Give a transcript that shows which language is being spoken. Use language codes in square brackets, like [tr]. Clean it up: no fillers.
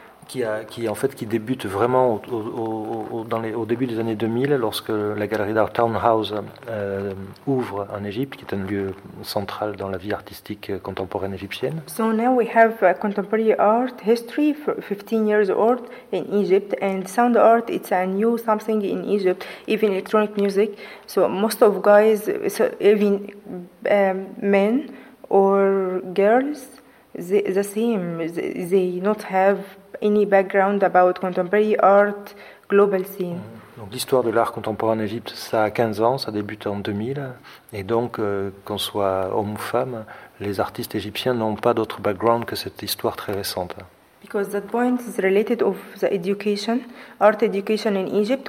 [fr] Qui débute vraiment au début des années 2000 lorsque la galerie d'art Townhouse ouvre en Égypte, qui est un lieu central dans la vie artistique contemporaine égyptienne. [en] So now we have a contemporary art history for 15 years old in Egypt, and sound art it's a new something in Egypt, even electronic music. So most of guys, so even men or girls, the same. They not have any background about contemporary art, global scene. [fr] Donc l'histoire de l'art contemporain en Égypte, ça a 15 ans, ça débute en 2000, et donc qu'on soit homme ou femme, les artistes égyptiens n'ont pas d'autre background que cette histoire très récente. [en] Because that point is related of the education, art education in Egypt.